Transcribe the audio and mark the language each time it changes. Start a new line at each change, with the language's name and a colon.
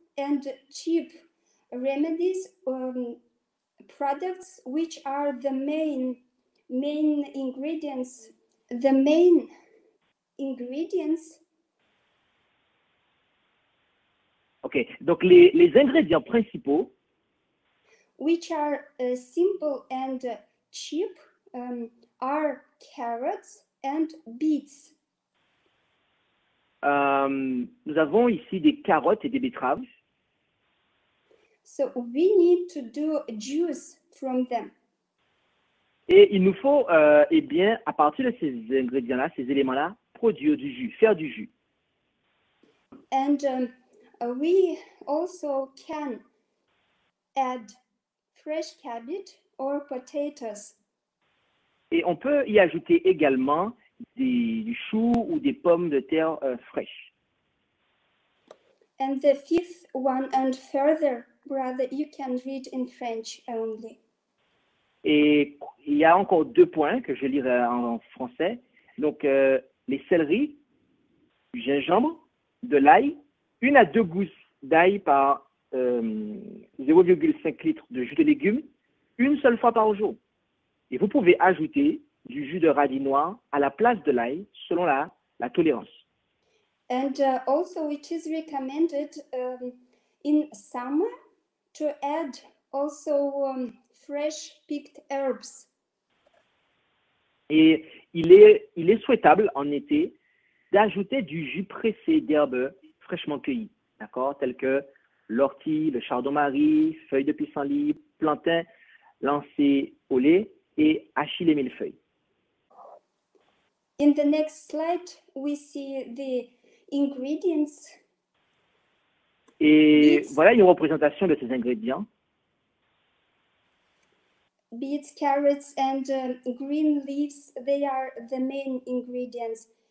English: and cheap remedies, products which are the main ingredients, the main ingredients.
French: Ok, donc les ingrédients principaux,
English: which are simple and cheap, are carrots and beets.
French: Nous avons ici des carottes et des betteraves.
English: So we need to do juice from them.
French: Et il nous faut, eh bien, à partir de ces ingrédients-là, ces éléments-là, produire du jus, faire du jus.
English: And we also can add fresh cabbage or potatoes.
French: Et on peut y ajouter également du chou ou des pommes de terre fraîches.
English: And the fifth one and further, brother, you can read in French only.
French: Et il y a encore deux points que je lirai en français. Donc, les céleris, du gingembre, de l'ail, une à deux gousses d'ail par 0,5 litres de jus de légumes, une seule fois par jour. Et vous pouvez ajouter du jus de radis noir à la place de l'ail, selon la tolérance.
English: And also, it is recommended in summer to add also fresh picked herbs.
French: Et il est souhaitable en été d'ajouter du jus pressé d'herbes fraîchement cueillies, d'accord, telles que l'ortie, le chardon-marie, feuilles de pissenlit, plantain, lancé au lait et achille et millefeuille.
English: In the next slide, we see the ingredients.
French: Et beets. Voilà une représentation de ces ingrédients.
English: Beets, carrots and green leaves, they are the main ingredients.